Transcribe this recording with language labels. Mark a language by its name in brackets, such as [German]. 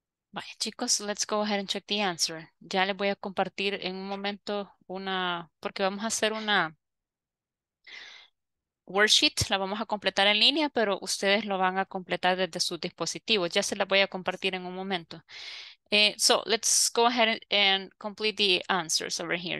[English] Bueno, chicos, let's go ahead and check the answer. [Spanish] Ya les voy a compartir en un momento una, porque vamos a hacer una worksheet, la vamos a completar en línea, pero ustedes lo van a completar desde sus dispositivos. Ya se la voy a compartir en un momento. [English] So let's go ahead and complete the answers over here.